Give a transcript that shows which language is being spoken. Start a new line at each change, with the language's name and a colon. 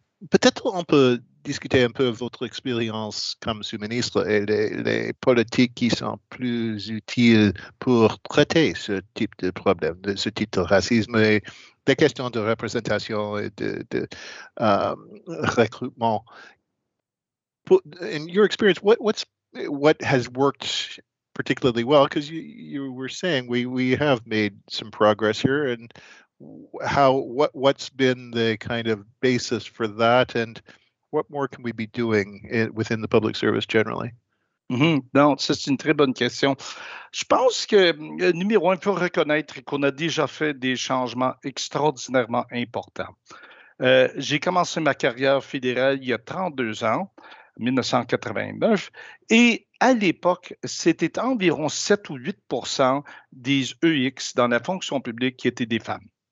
French: Peut-être on peut discuter un peu de votre expérience comme sous-ministre et les politiques qui sont plus utiles pour traiter ce type de problème, ce type de racisme et des questions de représentation et de recrutement.
English: In your experience, what has worked particularly well? Because you were saying we have made some progress here, and what's been the kind of basis for that, and what more can we be doing within the public service generally?
French: Mm-hmm. Non, ça c'est une très bonne question. Je pense que numéro un, il faut reconnaître qu'on a déjà fait des changements extraordinairement importants. J'ai commencé ma carrière fédérale il y a 32 ans. 1989, et à l'époque, c'était environ 7 ou 8% des EX dans la fonction publique qui étaient des femmes.